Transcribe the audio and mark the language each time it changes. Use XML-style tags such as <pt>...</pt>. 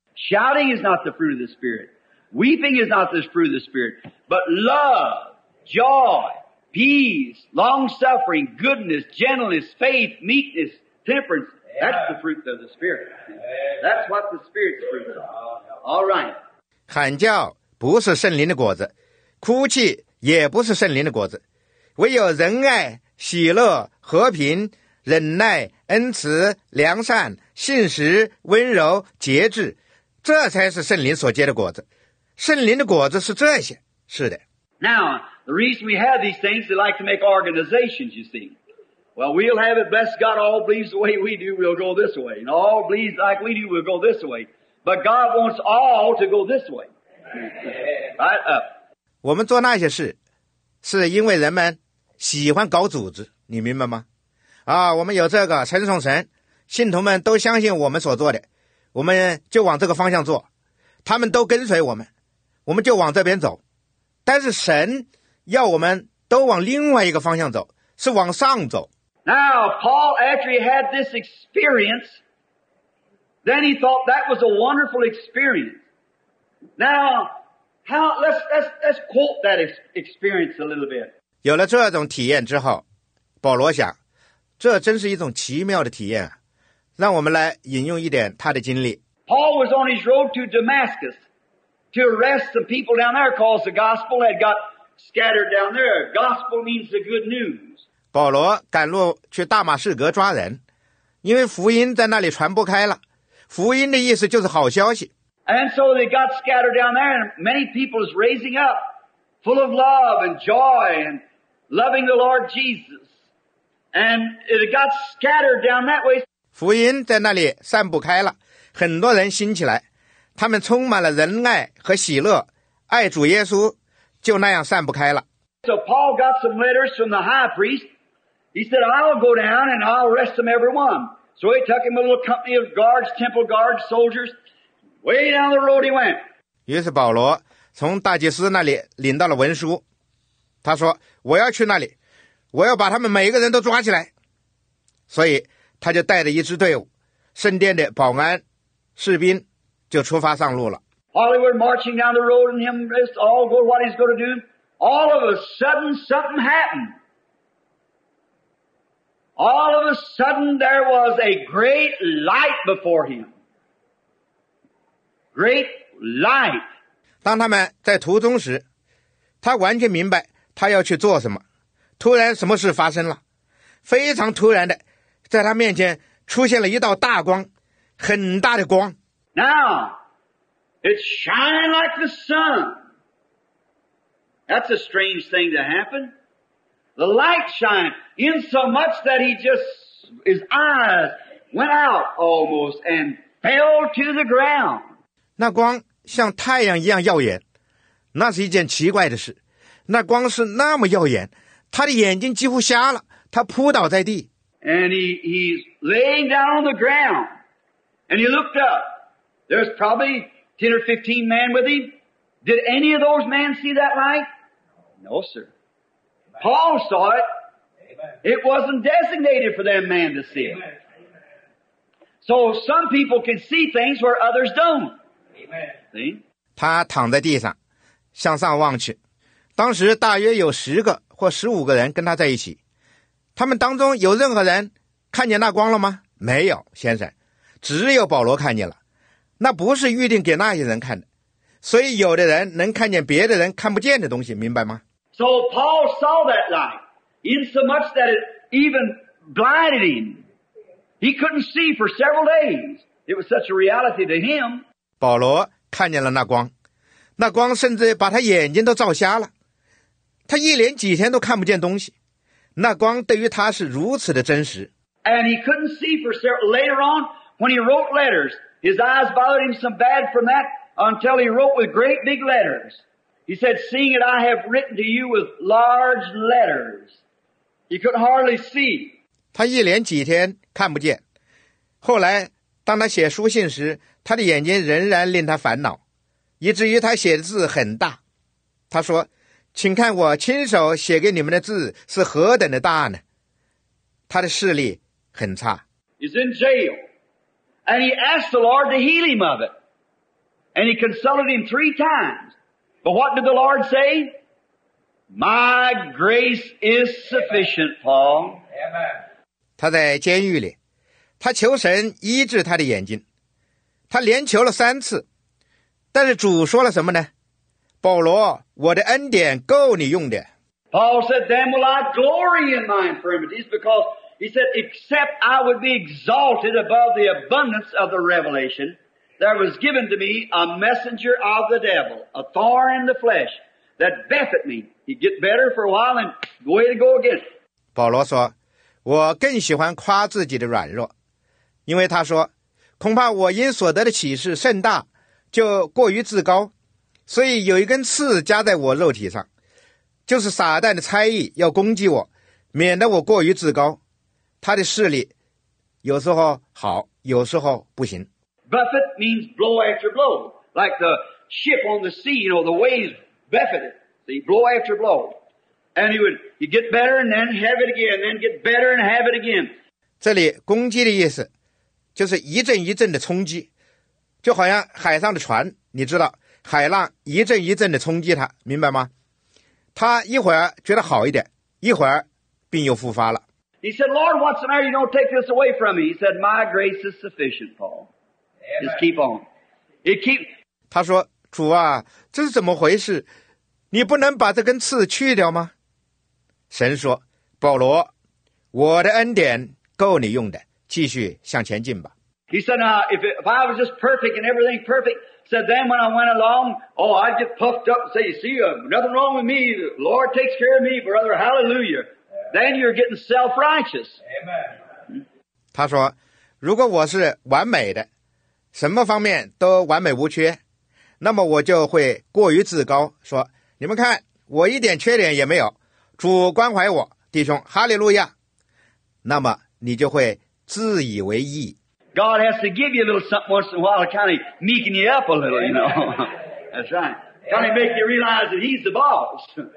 <en>Shouting is not the fruit of the Spirit. Weeping is not the fruit of the Spirit. But love, joy,Peace, long-suffering, goodness, gentleness, faith, meekness, temperance. That's the fruit of the Spirit. That's what the Spirit's fruit is. All right.</en> <zh>喊叫不是圣灵的果子，哭泣也不是圣灵的果子。唯有仁爱、喜乐、和平、忍耐、恩慈、良善、信实、温柔、节制，这才是圣灵所结的果子。圣灵的果子是这些。是的。</zh> <en>Now, the reason we have these things, they like to make organizations, you see. Well, we'll have it, bless God, all believes the way we do, we'll go this way. And all believes like we do, we'll go this way. But God wants all to go this way. Right up.</en> <zh>我们做那些事是因为人们喜欢搞组织，你明白吗？啊，我们有这个称颂神，信徒们都相信我们所做的，我们就往这个方向做，他们都跟随我们，我们就往这边走。但是神要我们都往另外一个方向走，是往上走。</zh> <en>Now, Paul, after he had this experience, then he thought that was a wonderful experience. Now, let's quote that experience a little bit.</en> <zh>有了这种体验之后，保罗想，这真是一种奇妙的体验啊！让我们来引用一点他的经历。</zh> <en>Paul was on his road to Damascus. To arrest some people down there because the gospel had got scattered down there. Gospel means the good news.</en> <zh>保罗赶路去大马士革抓人，因为福音在那里传播开了。福音的意思就是好消息。</zh> <en>And so they got scattered down there and many people is raising up full of love and joy and loving the Lord Jesus. And it got scattered down that way.</en> <zh>福音在那里散布开了，很多人兴起来。他们充满了仁爱和喜乐，爱主耶稣，就那样散不开了。</zh> <en>So Paul got some letters from the high priest. He said, "I'll go down and I'll arrest them every one." So he took him a little company of guards, temple guards, soldiers. Way down the road he went.</en> <zh>于是保罗从大祭司那里领到了文书。他说：“我要去那里，我要把他们每一个人都抓起来。” 所以他就带着一支队伍，圣殿的保安、士兵。就出发上路了。</zh> <en>Hollywood marching down the road and him just all go what he's going to do. All of a sudden something happened. All of a sudden there was a great light before him. Great light.</en> <zh>当他们在途中时，他完全明白他要去做什么。突然什么事发生了，非常突然的，在他面前出现了一道大光，很大的光。</zh> <en>Now, it's shining like the sun. That's a strange thing to happen. The light shined in so much that he just, his eyes went out almost and fell to the ground.</en> <zh>那光像太阳一样耀眼，那是一件奇怪的事。那光是那么耀眼，他的眼睛几乎瞎了，他扑倒在地。</zh> <en>And he's laying down on the ground. And he looked up. There's probably 10 or 15 men with him. Did any of those men see that light? No, sir. Paul saw it. It wasn't designated for them man to see it. So some people can see things where others don't. See?</en> <zh>他躺在地上，向上望去。当时大约有十个或十五个人跟他在一起。他们当中有任何人看见那光了吗？没有，先生。只有保罗看见了。那不是预定给那些人看的，所以有的人能看见别的人看不见的东西，明白吗？</zh> <en>So Paul saw that light, in so much that it even blinded him. He couldn't see for several days. It was such a reality to him.</en> <zh>保罗看见了那光，那光甚至把他眼睛都照瞎了，他一连几天都看不见东西，那光对于他是如此的真实。</zh> <en>And he couldn't see for several, later on, when he wrote letters,His eyes bothered him so bad from that until he wrote with great big letters. He said, seeing it, I have written to you with large letters. He could hardly see.</en> <zh>他一连几天看不见。后来当他写书信时，他的眼睛仍然令他烦恼，以至于他写的字很大。他说，请看我亲手写给你们的字是何等的大呢。他的视力很差。</zh> <en>He's in jail. And he asked the Lord to heal him of it. And he consulted him three times. But what did the Lord say? My grace is sufficient, Paul. Amen.</en> <zh>他在监狱里，他求神医治他的眼睛。他连求了三次。但是主说了什么呢？保罗，我的恩典够你用的。</zh> <en>Paul said, then will I glory in my infirmities, because he said, except I would be exalted above the abundance of the revelation, there was given to me a messenger of the devil, a thorn in the flesh, that buffeted me. He'd get better for a while and go away to go again.</en> <zh>保罗说，我更喜欢夸自己的软弱，因为他说，恐怕我因所得的启示甚大，就过于自高，所以有一根刺夹在我肉体上，就是撒旦的差役要攻击我，免得我过于自高。他的势力有时候好，有时候不行。</zh> <en>Buffet means blow after blow, like the ship on the sea, you know, the waves buffet it. See, blow after blow. And he get better and then have it again, then get better and have it again.</en> <zh>这里攻击的意思就是一阵一阵的冲击，就好像海上的船，你知道海浪一阵一阵的冲击它，明白吗？他一会儿觉得好一点，一会儿病又复发了。</zh> <en>He said, Lord, what's the matter? You don't take this away from me. He said, my grace is sufficient, Paul. Just keep on. It keeps.</en> <zh>他说，主啊，这是怎么回事？你不能把这根刺去掉吗？神说，保罗，我的恩典够你用的，继续向前进吧。</zh> <en>He said, if I was just perfect and everything perfect, said then when I went along, oh, I'd get puffed up and say, you see, nothing wrong with me. The Lord takes care of me, brother. Hallelujah. Yeah. Then you're getting self-righteous. Amen.</en> <zh>他说，如果我是完美的，什么方面都完美无缺，那么我就会过于自高，说，你们看，我一点缺点也没有，主关怀我，弟兄，哈利路亚。那么你就会自以为义。</zh> <en>God has to give you a little something once in a while to kind of meeken you up a little, you know. That's right. Kind of make you realize that he's the boss.</en>